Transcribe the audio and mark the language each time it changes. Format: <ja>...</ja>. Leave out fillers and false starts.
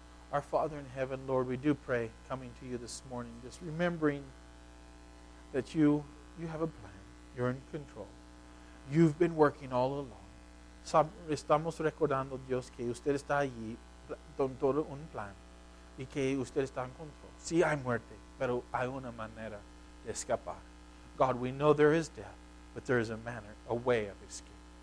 <en>Our Father in heaven, Lord, we do pray, coming to you this morning, just remembering that you have a plan, you're in control, you've been working all along.</en> <es>Estamos recordando, Dios, que usted está allí con todo un plan y que usted está en control. Sí, hay muerte, pero hay una manera de escapar.</es> <en>God, we know there is death, but there is a way of escape.</en>